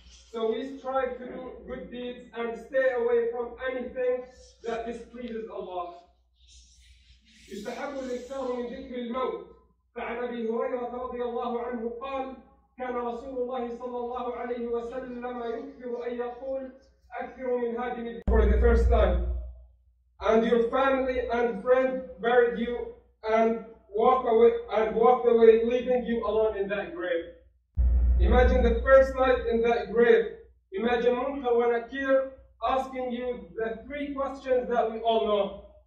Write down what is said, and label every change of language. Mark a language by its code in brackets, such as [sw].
[en] So we strive to do good deeds and stay away from anything that displeases Allah. [ar] يستحب الإكثار من ذكر الموت. فعن أبي هريرة رضي الله عنه قال: كان رسول الله صلى الله عليه وسلم يكثر أن يقول أكثر من هادم الدنيا. [en] For the first time, and your family and friend buried you. And walked away, leaving you alone in that grave. Imagine the first night in that grave. Imagine Munkar wa Nakir asking you the three questions that we all know.